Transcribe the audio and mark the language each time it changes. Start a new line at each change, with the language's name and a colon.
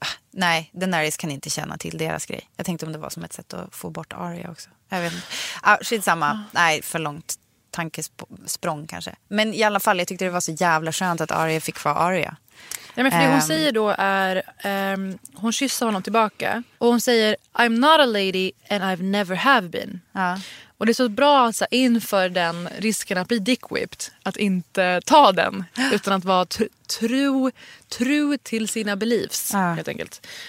Swedish: Nej, Daenerys kan inte känna till deras grej. Jag tänkte om det var som ett sätt att få bort Arya också. Jag vet inte. Skitsamma. Nej, för långt. Tankesprång kanske. Men i alla fall, jag tyckte det var så jävla skönt att Arya fick vara Arya. Ja, men för det hon säger då är... hon kysser honom tillbaka. Och hon säger,
English: I'm not a lady and I've never have been.
Swedish: Ja. Och det är så bra alltså, inför den risken att bli dick-whipped. Att inte ta den. Utan att vara true till sina beliefs, helt enkelt.